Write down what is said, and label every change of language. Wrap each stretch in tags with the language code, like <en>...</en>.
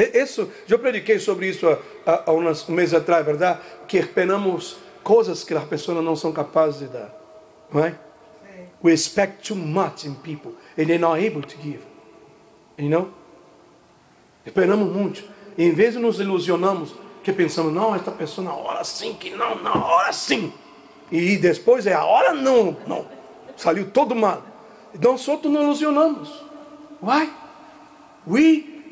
<pt>Isso, eu prediquei sobre isso há um mês atrás, verdade? Que esperamos coisas que as pessoas não são capazes de dar. Não é? Sim.</pt> <en>We expect too much in people and they're not able to give. You know?</en> <pt>Esperamos muito. E em vez de nos ilusionamos, que pensamos, não, esta pessoa na hora sim, que não, na hora sim. E depois é a hora não, não. Saiu todo mal. Então, solto nos ilusionamos. Why?</pt>